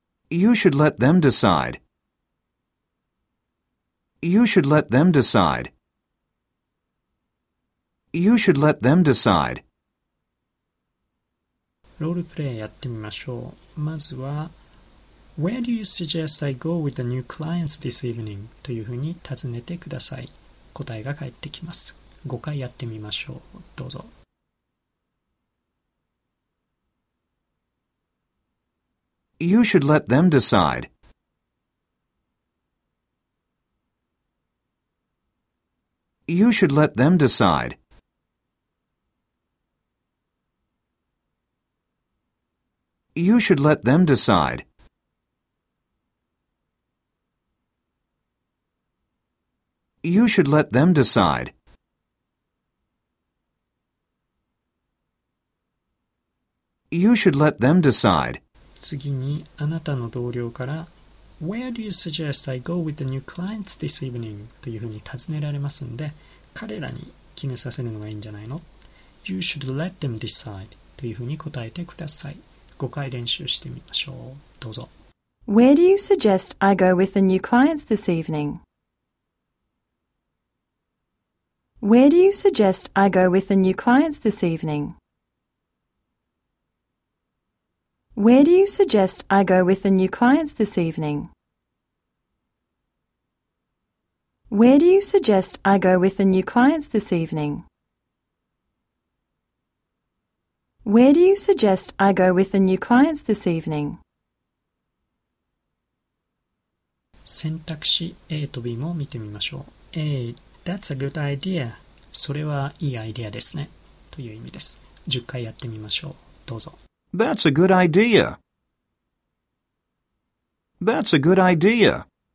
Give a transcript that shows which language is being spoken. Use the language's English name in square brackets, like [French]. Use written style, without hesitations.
[English] You should let them decide. You should let them decide. You should let them decide. [Japanese] ロールプレイやってみましょう。まずは [English] Where do you suggest I go with the new clients this evening? [Japanese] というふうに尋ねてください。答えが返ってきます。5回やってみましょう。どうぞ。 [English] You should let them decide. You should let them decide. You should let them decide. You should let them decide. You should let them decide. [Japanese] 次にあなたの同僚から [English] Where do you suggest I go with the new clients this evening? [Japanese] というふうに尋ねられますので、彼らに決めさせるのがいいんじゃないの? [English] You should let them decide. [Japanese] というふうに答えてください。5回練習してみましょう。どうぞ。 [English] Where do you suggest I go with the new clients this evening? Where do you suggest I go with the new clients this evening? Where do you suggest I go with the new clients this evening? Where do you suggest I go with the new clients this evening? Where do you suggest I go with the new clients this evening? [Japanese] 選択肢 A と B も見てみましょう。 [English] A, that's a good idea. [Japanese] それはいいアイデアですね、という意味です。 10回やってみましょう。どうぞ。 [English] That's a good idea. That's a good idea.